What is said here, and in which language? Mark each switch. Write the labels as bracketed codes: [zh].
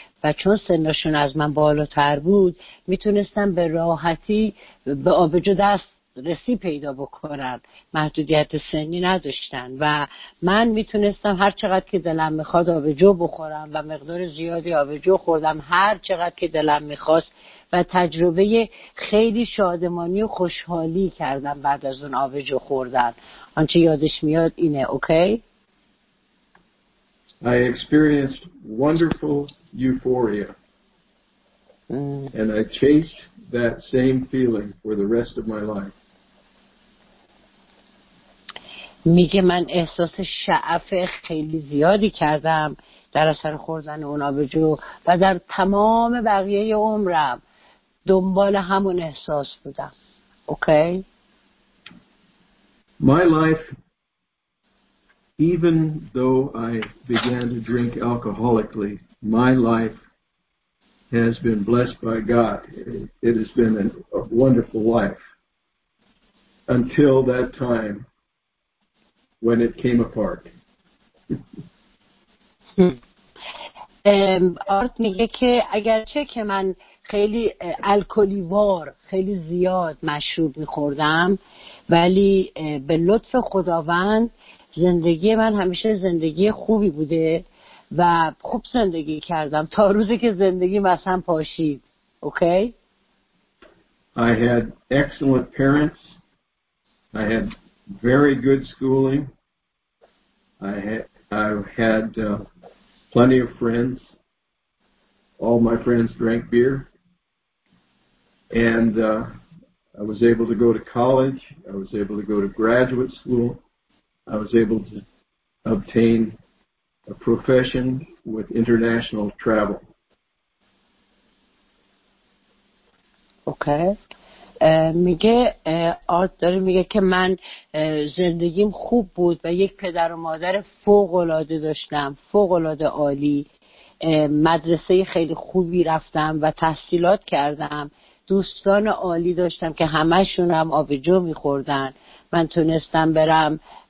[fa] و چون سنشون از من بالاتر بود میتونستن به راحتی به آبجو دست رسی پیدا بکنن، محدودیت سنی نداشتن و من میتونستم هر چقدر که دلم میخواد آبجو بخورم و مقدار زیادی آبجو خوردم هر چقدر که دلم میخواست و تجربه خیلی شادمانی و خوشحالی کردم بعد از اون آبجو خوردن. آنچه یادش میاد اینه. اوکی؟ [en] I experienced wonderful euphoria and I chased that same feeling for the rest of my life. [fa] میگه من احساس شعف خیلی زیادی کردم در اثر خوردن اون آبجو و در تمام بقیه عمرم دنبال همون احساس بودم. [en] Okay? My life, even though I began to drink alcoholically, my life has been blessed by God. It has been a wonderful life until that time when it came apart. [fa] آرت میگه که اگرچه که من خیلی الکلیوار خیلی زیاد مشروب میخوردم ولی به لطف خداوند زندگی من همیشه زندگی خوبی بوده و خوب زندگی کردم تا روزی که زندگی مثلا پاشید. [en] Okay? I had excellent parents. I had very good schooling. I had plenty of friends. All my friends drank beer. And I was able to go to college. I was able to go to graduate school. I was able to obtain a profession with international travel. Okay. [fa] میگه آرت داره میگه که من زندگیم خوب بود و یک پدر و مادر فوق‌العاده داشتم، فوق‌العاده عالی، مدرسه خیلی خوبی رفتم و تحصیلات کردم، دوستان عالی داشتم که همه‌شون هم آبجو می‌خوردن، من تونستم برم